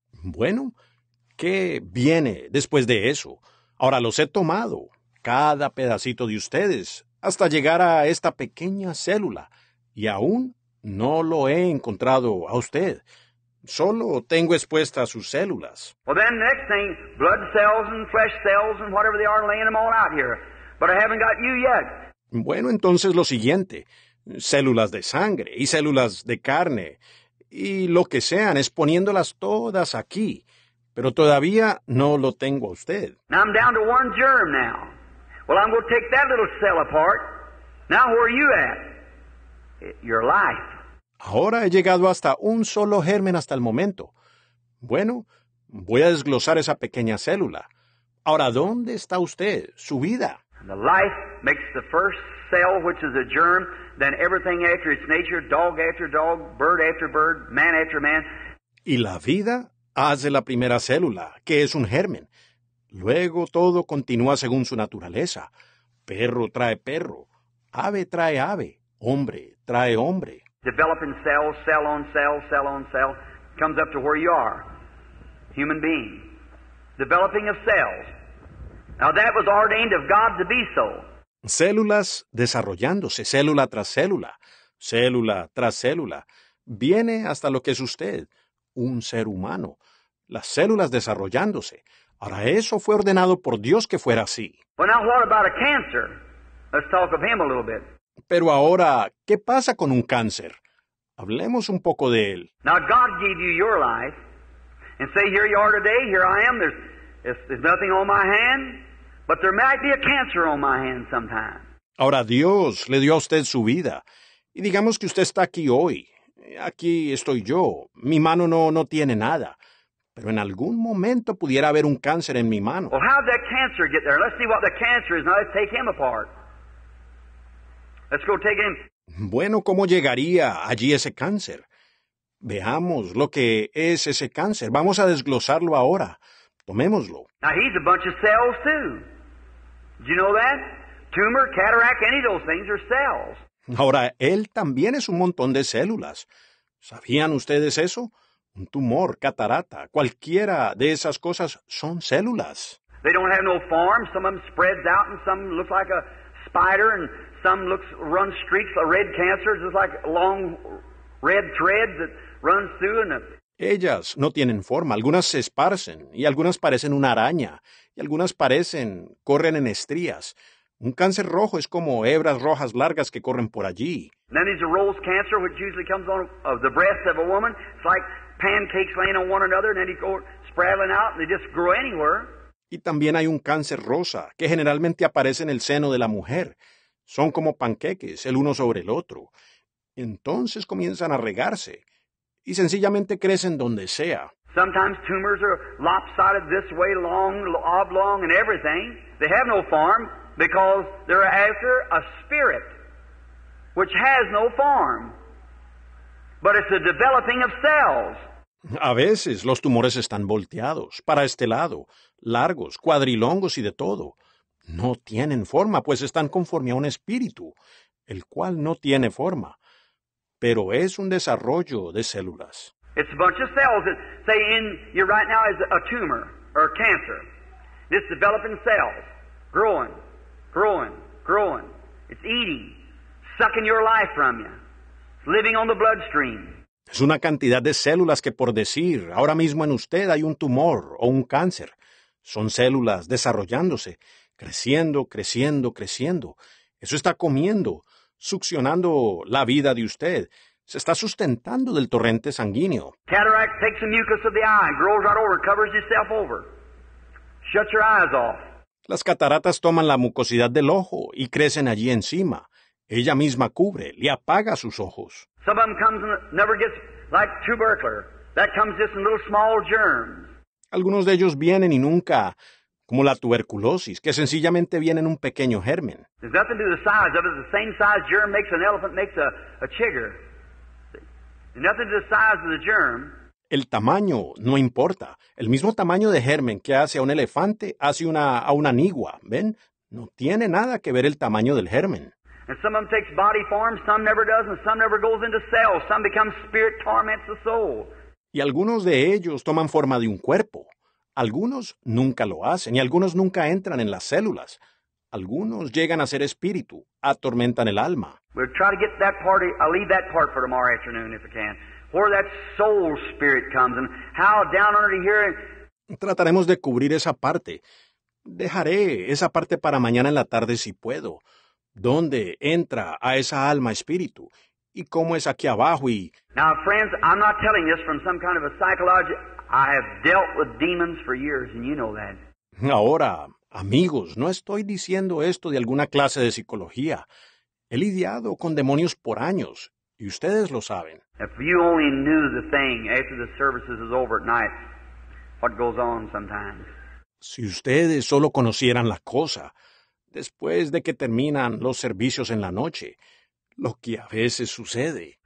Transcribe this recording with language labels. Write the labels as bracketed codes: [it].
[es] Bueno, ¿qué viene después de eso? Ahora los he tomado, cada pedacito de ustedes, hasta llegar a esta pequeña célula, y aún no lo he encontrado a usted. Solo tengo expuestas sus células. [en] Well, then the next thing, blood cells and flesh cells and whatever they are, laying them all out here. But I haven't got you yet. [es] Bueno, entonces lo siguiente, células de sangre y células de carne y lo que sean, exponiéndolas todas aquí. Pero todavía no lo tengo a usted. [en] Now I'm down to one germ now. Well, I'm going to take that little cell apart. Now where are you at? Your life. [es] Ahora he llegado hasta un solo germen hasta el momento. Bueno, voy a desglosar esa pequeña célula. Ahora, ¿dónde está usted? Su vida. [en] The life makes the first cell, which is a germ, then everything after its nature, dog after dog, bird after bird, man after man. [es] Y la vida hace la primera célula, que es un germen. Luego todo continúa según su naturaleza. Perro trae perro, ave trae ave, hombre trae hombre. [en] Developing cells, cell on cell, cell on cell, comes up to where you are, human being. Developing of cells. Now that was ordained of God to be so. [es] Células desarrollándose, célula tras célula, célula tras célula. Viene hasta lo que es usted, un ser humano. Las células desarrollándose. Ahora eso fue ordenado por Dios que fuera así. [en] Well now what about a cancer? Let's talk of him a little bit. [es] Pero ahora, ¿qué pasa con un cáncer? Hablemos un poco de él. [en] Now God gave you your life, and say here you are today, here I am. There's nothing on my hand, but there might be a cancer on my hand sometime. [es] Ahora Dios le dio a usted su vida, y digamos que usted está aquí hoy. Aquí estoy yo. Mi mano no tiene nada, pero en algún momento pudiera haber un cáncer en mi mano. [en] Well, how did that cancer get there? Let's see what the cancer is. Now let's take him apart. Let's go take him. [es] Bueno, ¿cómo llegaría allí ese cáncer? Veamos lo que es ese cáncer. Vamos a desglosarlo ahora. Tomémoslo. [en] Now he's a bunch of cells too. Did you know that? Tumor, cataract, any of those things are cells. [es] Ahora, él también es un montón de células. ¿Sabían ustedes eso? Un tumor, catarata, cualquiera de esas cosas son células. [en] They don't have no form. Some of them spreads out and some look like a spider and some looks run streaks of red cancer, just like long red threads that run through and. [es] Ellas no tienen forma. Algunas se esparcen y algunas parecen una araña y algunas parecen corren en estrías. Un cáncer rojo es como hebras rojas largas que corren por allí. [en] Then there's a Rolls cancer, which usually comes on of the breast of a woman. It's like pancakes laying on one another, and then you go spraddling out, and they just grow anywhere. [es] Y también hay un cáncer rosa que generalmente aparece en el seno de la mujer. Son como panqueques el uno sobre el otro. Entonces comienzan a regarse y sencillamente crecen donde sea. [en] Sometimes tumors are lopsided this way, long, oblong, and everything. They have no form because they're after a spirit which has no form. But it's a developing of cells. [es] A veces los tumores están volteados, para este lado, largos, cuadrilongos y de todo. No tienen forma, pues están conforme a un espíritu, el cual no tiene forma. Pero es un desarrollo de células. [en] It's a bunch of cells that say in you right now is a tumor or a cancer. It's developing cells, growing, growing, growing. It's eating, sucking your life from you. It's living on the bloodstream. [es] Es una cantidad de células que, por decir, ahora mismo en usted hay un tumor o un cáncer. Son células desarrollándose, creciendo, creciendo, creciendo. Eso está comiendo, succionando la vida de usted. Se está sustentando del torrente sanguíneo. [en] Cataract takes the mucus of the eye and grows right over, covers itself over. Shut your eyes off. [es] Las cataratas toman la mucosidad del ojo y crecen allí encima. Ella misma cubre, le apaga sus ojos. [en] Some of them comes and never gets like tubercular. That comes just in little small germs. [es] Algunos de ellos vienen y nunca, como la tuberculosis, que sencillamente viene en un pequeño germen. [en] There's nothing to the size of it. The same size germ makes an elephant, makes a chigger. Nothing to the size of the germ. [es] El tamaño no importa. El mismo tamaño de germen que hace a un elefante hace a una nigua, ¿ven? No tiene nada que ver el tamaño del germen. [en] And some of them takes body form, some never does, and some never goes into cells. Some become spirit, torments the soul. [es] Y algunos de ellos toman forma de un cuerpo. Algunos nunca lo hacen y algunos nunca entran en las células. Algunos llegan a ser espíritu, atormentan el alma. [en] We'll try to get that part, I'll leave that part for tomorrow afternoon if I can. Where that soul spirit comes and how down under here. [es] Trataremos de cubrir esa parte. Dejaré esa parte para mañana en la tarde si puedo. ¿Dónde entra a esa alma espíritu? ¿Y cómo es aquí abajo? Y [en] now, friends, I'm not telling this from some kind of a psychology. I have dealt with demons for years, and you know that. [es] Ahora, amigos, no estoy diciendo esto de alguna clase de psicología. He lidiado con demonios por años, y ustedes lo saben. [en] If you only knew the thing after the services is over at night, what goes on sometimes. [es] Si ustedes solo conocieran la cosa, después de que terminan los servicios en la noche, lo que a veces sucede.